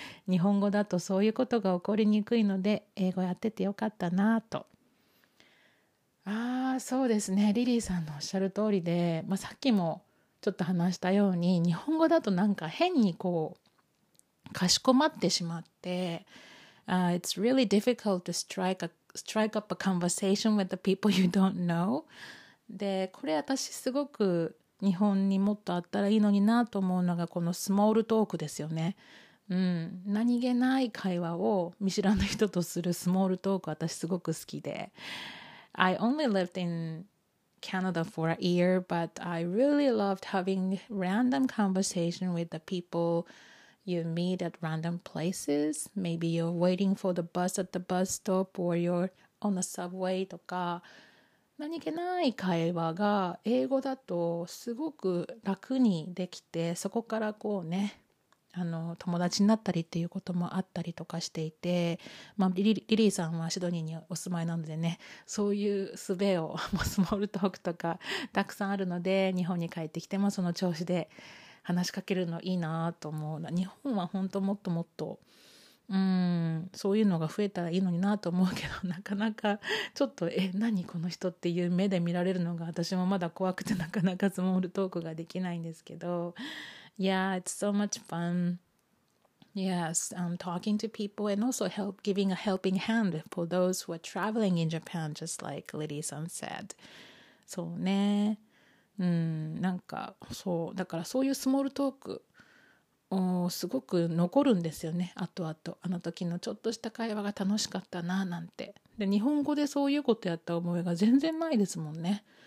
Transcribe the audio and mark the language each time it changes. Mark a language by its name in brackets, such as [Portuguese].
[Japanese] 日本語だとそういうことが起こりにくいので、英語やっててよかったなと。ああ、そうですね。リリーさんのおっしゃる通りで、まあ、さっきもちょっと話したように、日本語だとなんか変にこう、かしこまってしまって、 [English] It's really difficult to strike up a conversation with the people you don't know. [Japanese] で、これ私すごく、日本にもっとあったらいいのになと思うのが、このスモールトークですよね、うん、何気ない会話を見知らぬ人とするスモールトーク、私すごく好きで。 [English] I only lived in Canada for a year, but I really loved having random conversation with the people you meet at random places. Maybe you're waiting for the bus at the bus stop or you're on the subway [Japanese] とか、何気ない会話が英語だとすごく楽にできて、そこからこうね、友達になったりっていうこともあったりとかしていて、まあ、リリーさんはシドニーにお住まいなのでね、そういう術をもうスモールトークとかたくさんあるので、日本に帰ってきてもその調子で話しかけるのいいなと思う。日本は本当もっともっと、そういうのが増えたらいいのになと思うけど、なかなかちょっと、何この人っていう目で見られるのが私もまだ怖くて、なかなかスモールトークができないんですけど。 [English] Yeah, it's so much fun. Yes, talking to people and also giving a helping hand for those who are traveling in Japan, just like Lily-san said. [Japanese] そうね、なんかそうだからそういうスモールトークすごく残るんですよね、あとあと、あの時のちょっとした会話が楽しかったななんて。で日本語でそういうことやった思いが全然ないですもんね。